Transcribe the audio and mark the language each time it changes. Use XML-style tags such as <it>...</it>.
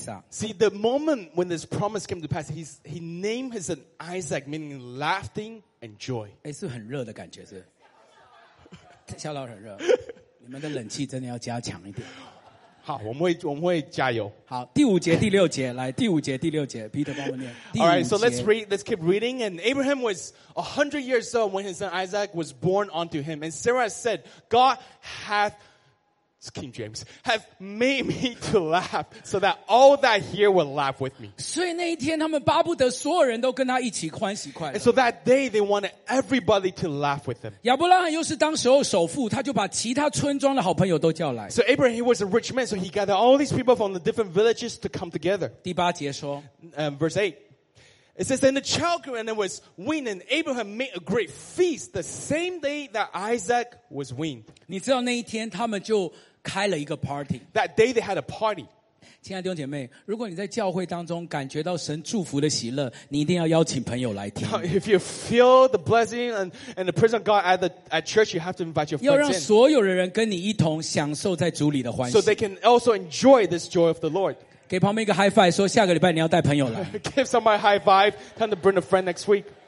<en>See, the moment when this promise came to pass, he named his son Isaac, meaning laughing and joy.</en> <zh>是很热的感觉是? 小老很热, 你们的冷气真的要加强一点。好,我们会加油。好,第五节,第六节,来,第五节,第六节, Peter, 帮我念。</zh> <en>All right, so let's keep reading. And Abraham was 100 years old when his son Isaac was born unto him. And Sarah said, God hath, it's King James, hath made me to laugh, so that all that hear will laugh with me.</en> <zh>所以那一天,他们巴不得所有人都跟他一起欢喜快乐。</zh> <en>And so that day, they wanted everybody to laugh with them.</en> <zh>亚伯拉罕又是当时候首富,他就把其他村庄的好朋友都叫来。</zh> <en>So Abraham, he was a rich man, so he gathered all these people from the different villages to come together.</en> <zh>第八节说,</zh> <en>verse 8. It says, and the child grew, and it was weaned, and Abraham made a great feast the same day that Isaac was weaned.</en> <zh>你知道那一天他们就开了一个 party.</zh> <en>That day they had a party.</en> <zh>亲爱的弟兄姐妹, 如果你在教会当中感觉到神祝福的喜乐, 你一定要邀请朋友来听。</zh> <en>Now, if you feel the blessing and the presence of God at church, you have to invite your friends in.</en> <zh>要让所有的人跟你一同享受在主里的欢喜。</zh> <en>So they can also enjoy this joy of the Lord.</en> <zh>给旁边一个 high five， 说下个礼拜你要带朋友来。</zh> <en>Give somebody high five. Time to bring a friend next week.</en>